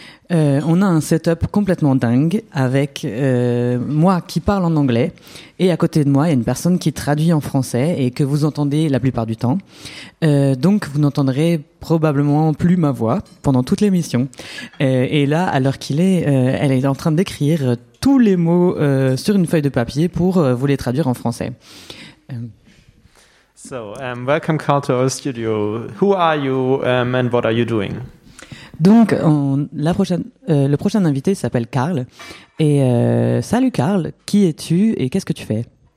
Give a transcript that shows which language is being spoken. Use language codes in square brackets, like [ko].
[fr] On a un setup complètement dingue avec moi qui parle en anglais et à côté de moi, il y a une personne qui traduit en français et que vous entendez la plupart du temps. Donc, vous n'entendrez probablement plus ma voix pendant toute l'émission. Et là, à l'heure qu'il est, elle est en train d'écrire tous les mots sur une feuille de papier pour vous les traduire en français. [en] So, welcome Carl to our studio. Who are you and what are you doing? [fr] Donc, le prochain invité s'appelle Carl. Et salut Carl, qui es-tu et qu'est-ce que tu fais?